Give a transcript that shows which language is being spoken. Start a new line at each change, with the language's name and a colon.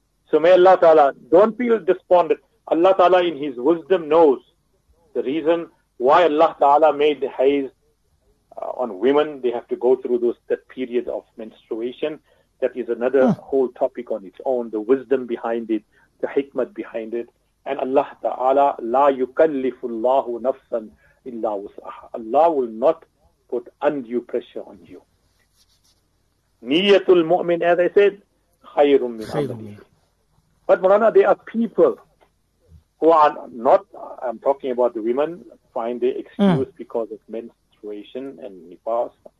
English: So may Allah Ta'ala, don't feel despondent. Allah Ta'ala in His wisdom knows the reason why Allah Ta'ala made the haiz on women. They have to go through that period of menstruation. That is another whole topic on its own, the wisdom behind it, the hikmat behind it.
Arabic: And Allah Ta'ala, لا يكلف الله نفسا إلا وسعها.
English: Allah will not put undue pressure on you.
Arabic: Niyatul mu'min,
English: as I said,
Arabic: khayrun min amali.
English: But Murana, there are people who are not, I'm talking about the women, find their excuse because of menstruation and nifas.